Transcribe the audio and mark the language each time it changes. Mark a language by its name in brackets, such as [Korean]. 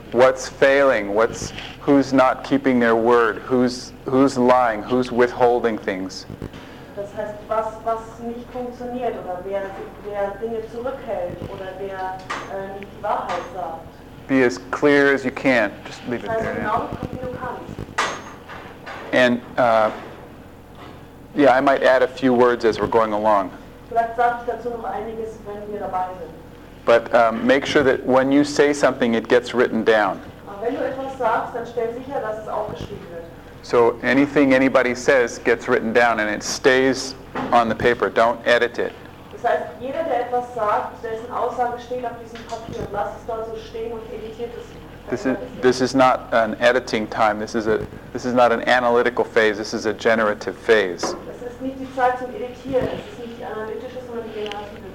[English] What's failing? Who's not keeping their word? Who's lying? Who's withholding things? [German] Das heißt, was nicht funktioniert oder wer Dinge zurückhält oder wer nicht die Wahrheit sagt. [English] Be as clear as you can. Just leave [German] das heißt, [English] it there. [German] Genau, wie du kannst. [English] And yeah, I might add a few words as we're going along. [German] Vielleicht sage ich dazu noch einiges, wenn wir dabei sind. [English] But make sure that when you say something, it gets written down. [German] Wenn du etwas sagst, dann stell sicher, dass es aufgeschrieben wird. [English] So anything anybody says gets written down and it stays on the paper. Don't edit it. [German] Das heißt, jeder, der etwas sagt, dessen Aussage steht auf diesem Papier, lass es da so stehen und editiert es. [English] This is not an editing time. This is not an analytical phase. This is a generative phase. [German] Das ist nicht die Zeit zum Editieren. Das ist nicht die analytische, sondern die generative